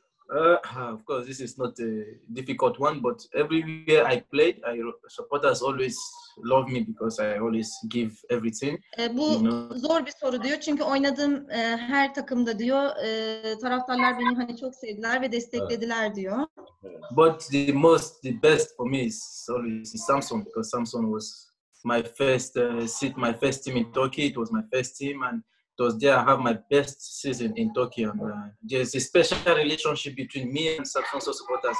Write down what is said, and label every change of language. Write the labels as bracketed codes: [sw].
[en] Of course, this is not a difficult one, but everywhere I played, I supporters always love me because I always give everything. [tr] Bu zor bir soru diyor çünkü oynadığım her takımda diyor taraftarlar beni hani çok sevdiler ve desteklediler diyor. [en] But the best for me is always Samsung because Samsung was my first my first team in Turkey. It was my first team and it was there I have my best season in Turkey. And there's a special relationship between me and Samsung supporters.